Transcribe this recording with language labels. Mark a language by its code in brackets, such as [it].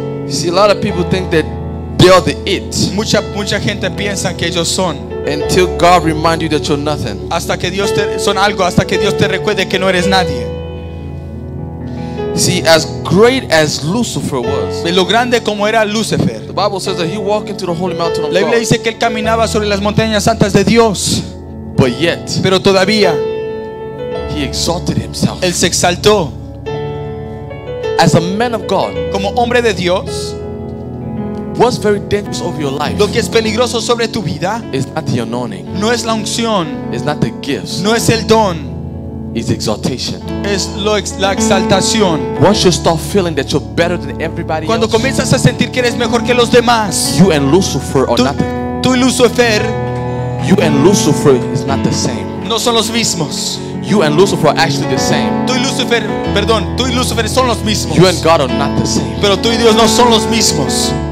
[en] See, a lot of people think that they are the it. [es] Mucha gente piensa que ellos son. [en] Until God reminds you that you're nothing. [es] Hasta que Dios te son algo. Hasta que Dios te recuerde que no eres nadie. [en] See, as great as Lucifer was. [es] De lo grande como era Lucifer. [en] The Bible says that he walked into the holy mountain of God. [es] La Biblia dice que él caminaba sobre las montañas santas de Dios. [en] But yet. [es] Pero todavía. [en] He exalted himself. [es] Él se exaltó. [en] As a man of God. [es] Como hombre de Dios. [en] What's very dangerous over your life? [es] Lo que es peligroso sobre tu vida. [en] Is not the anointing. [es] No es la unción. [en] Is not the gifts. [es] No es el don. [en] Is exaltation. [es] Es lo la exaltación. [en] Once you start feeling that you're better than everybody. [es] Cuando [en] else, [es] comienzas a sentir que eres mejor que los demás. [en] You and Lucifer are not. [es] Tú y Lucifer. [en] You and Lucifer is not the same. [es] No son los mismos. [en] You and Lucifer are actually the same. [es] Tú y Lucifer, perdón, tú y Lucifer son los mismos. [en] You and God are not the same. [es] Pero tú y Dios no son los mismos.